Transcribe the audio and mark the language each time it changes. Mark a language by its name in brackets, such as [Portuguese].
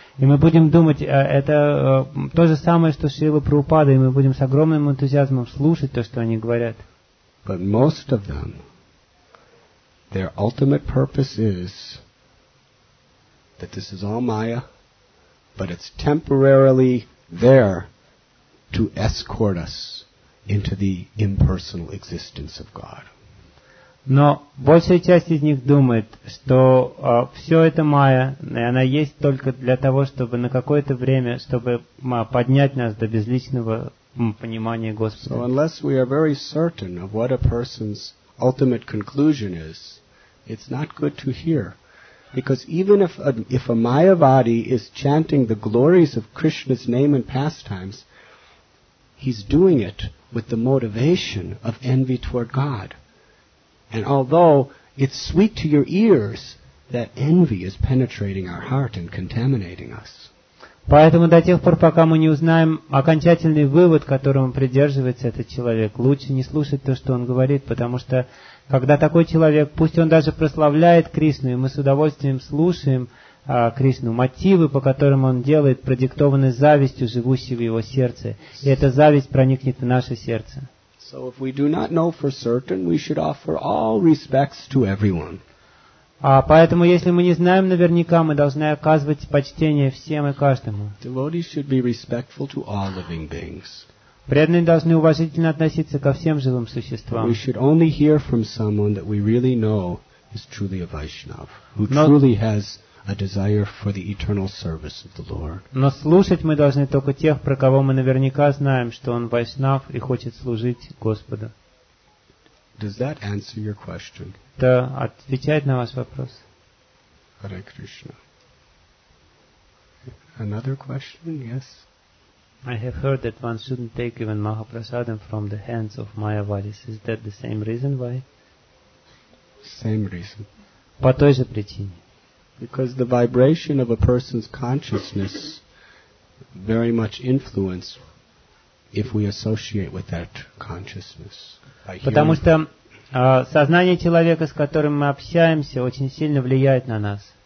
[Russian] И мы будем думать, это то же самое, что Шрила Прабхупада, и мы будем с огромным энтузиазмом слушать то, что они говорят. [English] But most of them, their ultimate purpose is that this is all Maya, but it's temporarily there to escort us into the impersonal existence of God. [Russian] Но большая часть из них думает, что все это майя, и она есть только для того, чтобы на какое-то время, чтобы поднять нас до безличного понимания Господа. [English] So unless we are very certain of what a person's ultimate conclusion is, it's not good to hear. Because even if a mayavadi is chanting the glories of Krishna's name and pastimes, he's doing it with the motivation of envy toward God. And although it's sweet to your ears, that envy is penetrating our heart and contaminating us. [Russian] Поэтому до тех пор, пока мы не узнаем окончательный вывод, которому придерживается этот человек, лучше не слушать то, что он говорит, потому что когда такой человек, пусть он даже прославляет Кришну, и мы с удовольствием слушаем Кришну. Мотивы, по которым он делает, продиктованы завистью, живущей в его сердце. И эта зависть проникнет в наше сердце. [English] So if we do not know for certain, we should offer all respects to everyone. [Russian] Поэтому, если мы не знаем наверняка, мы должны оказывать почтение всем и каждому. [English] Devotees should be respectful to all living beings. [Russian] Преданные должны уважительно относиться ко всем живым существам. [English] We should only hear from someone that we really know is truly a Vaishnav, who truly has a desire for the eternal service of the Lord. [Russian] Но слушать мы должны только тех, про кого мы наверняка знаем, что он вайшнав и хочет служить Господу. [English] Does that answer your question? [Russian] Это отвечает на ваш вопрос? [English] Hare Krishna. Another question? Yes. I have heard that one shouldn't take even Mahaprasadam from the hands of Mayavadis. Is that the same reason why? Same reason. [Russian] По той же причине. [English] Because the vibration of a person's consciousness very much influences if we associate with that consciousness. [Russian] Потому что сознание человека, с которым мы общаемся, очень сильно влияет на нас.